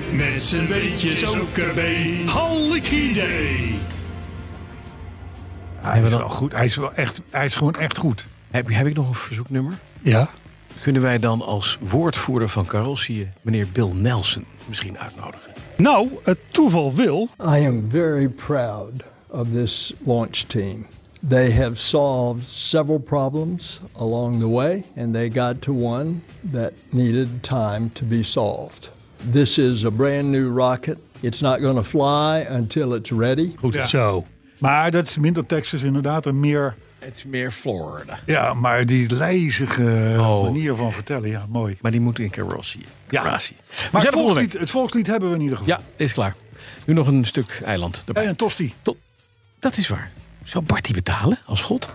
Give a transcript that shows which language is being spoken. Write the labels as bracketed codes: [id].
[nl] Met z'n weetjes ook erbij. Hallikidee. Hij is wel goed, hij is gewoon echt goed. Heb ik nog een verzoeknummer? Ja. Kunnen wij dan als woordvoerder van carrossieën meneer Bill Nelson misschien uitnodigen? Nou, het toeval wil. [en] I am very proud of this launch team. They have solved several problems along the way and they got to one that needed time to be solved. This is a brand new rocket. It's not going to fly until it's ready. [nl] Goed ja. Zo. Maar dat is minder Texas inderdaad en meer. Het is meer Florida. Ja, maar die lijzige manier van vertellen, ja, mooi. Maar die moet in Carrossie. Ja. Carrossie. Maar het volkslied hebben we in ieder geval. Ja, is klaar. Nu nog een stuk eiland erbij. En een tosti. Dat is waar. Zou Bart die betalen als god?